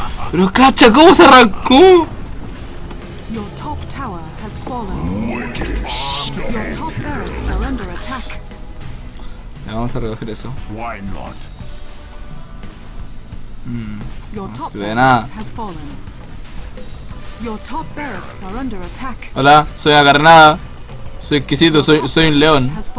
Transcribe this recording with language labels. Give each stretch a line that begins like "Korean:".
Spanish: Pero cacha, ¿cómo se arrancó?
English: Your top tower has fallen. Your top barracks are under attack.
Spanish: Ya, vamos a recoger eso.
English: Why not? Your top barracks has fallen. Your top barracks are under attack.
Spanish: Hola, soy una carnada. Soy exquisito, soy un león.